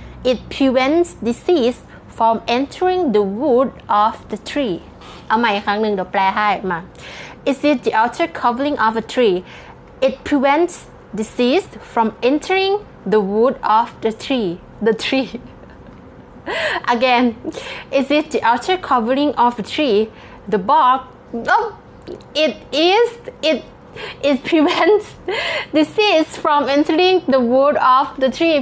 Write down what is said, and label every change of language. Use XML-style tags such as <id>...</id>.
<en>It prevents disease from entering the wood of the tree.</en> <th>เอาใหม่อีกครั้งหนึ่งเดี๋ยวแปลให้มา</th> <en>Is it the outer covering of a tree? It preventsDisease from entering the wood of the tree. The tree. Again, is it the outer covering of a tree? The bark. Oh, it is. It prevents disease from entering the wood of the tree.</en>